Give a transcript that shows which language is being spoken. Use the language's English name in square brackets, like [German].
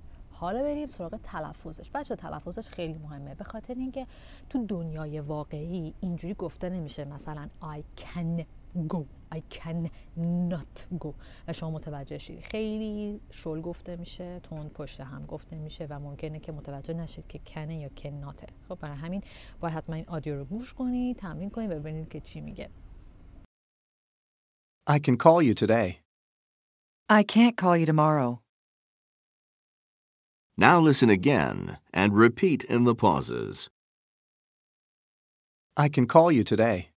[Persian] حالا بریم سراغ تلفظش. بچه تلفظش خیلی مهمه، به خاطر اینکه تو دنیای واقعی اینجوری گفته نمیشه. مثلا [English] I can go، I can not go. [Persian] شما متوجه شید خیلی شل گفته میشه، تون پشت هم گفته میشه و ممکنه که متوجه نشید که can یا can not. خب برای همین باید حتما این آدیو رو گوش کنی، تمرین کنی و ببینید که چی میگه. [English] I can call you today. I can't call you tomorrow. Now listen again and repeat in the pauses. I can call you today.